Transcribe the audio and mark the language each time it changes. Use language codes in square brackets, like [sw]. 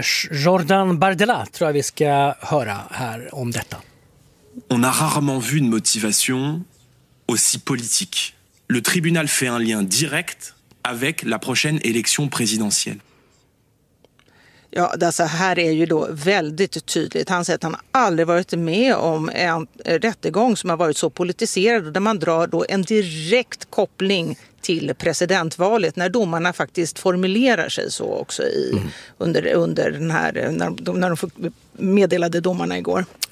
[sv] Jordan Bardella tror jag vi ska höra här om detta. [fr] On a rarement vu une motivation aussi politique. Le tribunal fait un lien direct avec la prochaine élection présidentielle. [sv] Ja, alltså här är ju då väldigt tydligt. Han säger att han aldrig varit med om en rättegång som har varit så politiserad, där man drar då en direkt koppling till presidentvalet, när domarna faktiskt formulerar sig så också under den här, när de meddelade domarna igår.